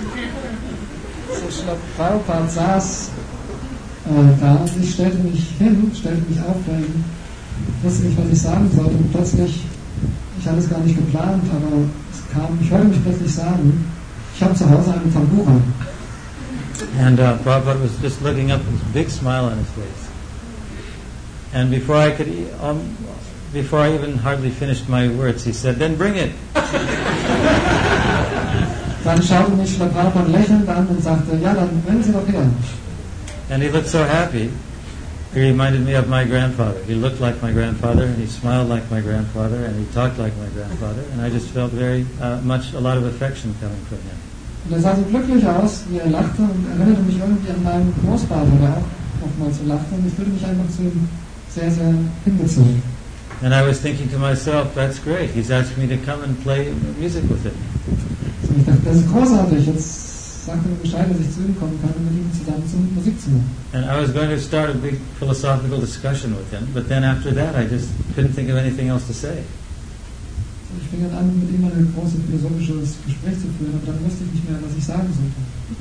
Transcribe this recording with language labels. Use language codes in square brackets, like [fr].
[de] So Srila Prabhupada saß da und ich stellte mich hin, stellte mich auf, weil ich wusste nicht, was ich sagen sollte. Und plötzlich, ich hatte es gar nicht geplant, aber es kam, ich hörte mich plötzlich sagen, ich habe zu Hause eine Tambura. [en] And Prabhupada was just looking up with a big smile on his face. And before I could, before I even hardly finished my words, he said, "Then bring it." [de] Dann schaute mich der Prabhupada lächelnd an und sagte, "Ja, dann bringen Sie doch her." [en] And he looked so happy, He reminded me of my grandfather. He looked like my grandfather, and he smiled like my grandfather, and he talked like my grandfather, and I just felt very much a lot of affection coming from him. [de] Und er sah so glücklich aus, wie er lachte, und erinnerte mich irgendwie an meinen Großvater, der auch oftmals so lachte, und ich fühlte mich einfach zu ihm sehr, sehr hingezogen. [en] And I was thinking to myself, that's great, he's asked me to come and play music with him. [de] So ich dachte, das ist großartig, jetzt sagt er mir Bescheid, dass ich zu ihm kommen kann, um mit ihm zusammen zum Musik zu machen. [en] And I was going to start a big philosophical discussion with him, but then after that I just couldn't think of anything else to say. [de] Ich fing dann an, mit ihm ein großes philosophisches Gespräch zu führen, aber dann wusste ich nicht mehr, was ich sagen sollte.